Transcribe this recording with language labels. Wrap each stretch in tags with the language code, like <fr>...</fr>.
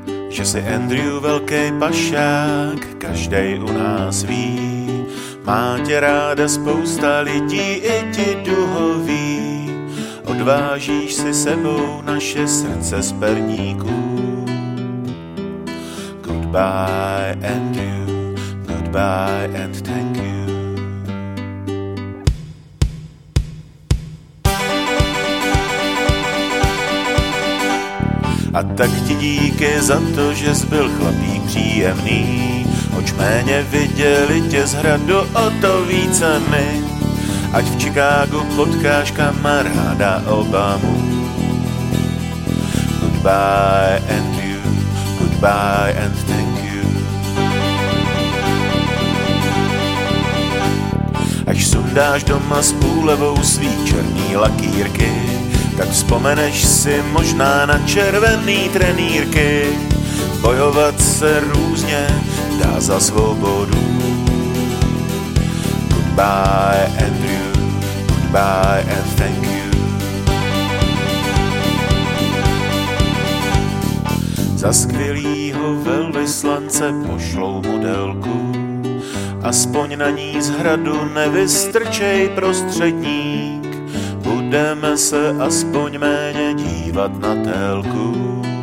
<cs>že si Andrew velký pašák, každej u nás ví. Má tě ráda spousta lidí, i ti duhoví. Odvážíš si sebou naše srdce z perníků.</cs> <en>Goodbye Andrew, goodbye and thank you.</en> <cs>A tak ti díky za to, že jsi byl chlapík příjemný, hoč méně viděli tě z hradu, o to více my. Ať v Chicagu potkáš kamaráda Obamu.</cs> <en>Goodbye and you, goodbye and thank you.</en> <cs>Až sundáš doma s půlevou svý černý lakýrky, tak vzpomeneš si možná na červený trenýrky. Bojovat se různě dá za svobodu.</cs> <en>Goodbye Andrew, goodbye and thank you.</en> <cs>Za skvělýho velvyslance pošlou modelku, aspoň na ní z hradu nevystrčej prostřední. Budeme se aspoň méně dívat na telku.</cs>